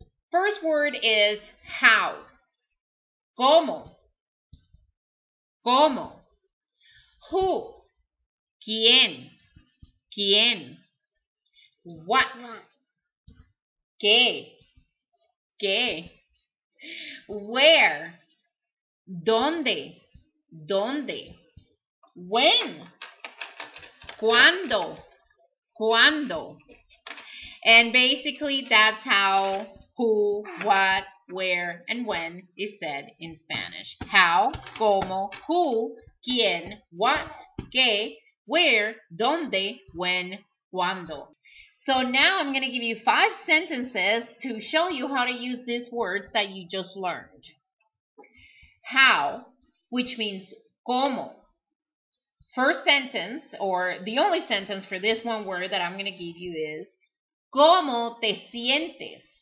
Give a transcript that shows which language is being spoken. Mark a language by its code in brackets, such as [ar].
[en] First word is how. [es] ¿Cómo? ¿Cómo? Who? ¿Quién? ¿Quién? What? ¿Qué? ¿Qué? Where? ¿Dónde? ¿Dónde? When? ¿Cuándo? ¿Cuándo? [en] And basically that's how, who, what, where, and when is said in Spanish. How, cómo, who, quién, what, qué, where, dónde, when, cuándo. So now I'm going to give you five sentences to show you how to use these words that you just learned. How, which means cómo. First sentence, or the only sentence for this one word that I'm going to give you is, [es] ¿cómo te sientes?